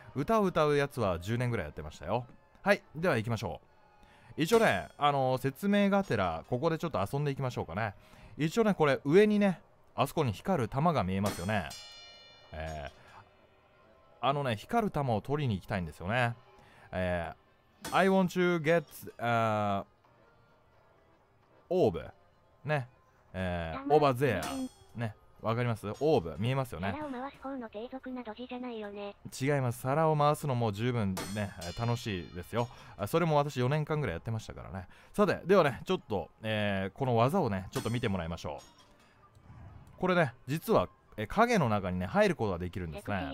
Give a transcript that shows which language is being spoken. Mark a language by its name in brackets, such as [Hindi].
[Japanese] 歌を歌うやつは10年ぐらいやってましたよ。はい、では行きましょう。一応ね、説明がてらここでちょっと遊んでいきましょうかね。一応ねこれ上にねあそこに光る玉が見えますよね。あのね光る玉を取りに行きたいんですよね。 [English] I want to get orb ね、over there ね、 [Japanese] わかります？オーブ見えますよね。皿を回す方の低俗なドジじゃないよね。違います。皿を回すのも十分ね楽しいですよ。それも私4年間ぐらいやってましたからね。さてではねちょっと、この技をねちょっと見てもらいましょう。これね実は影の中にね入ることができるんですね。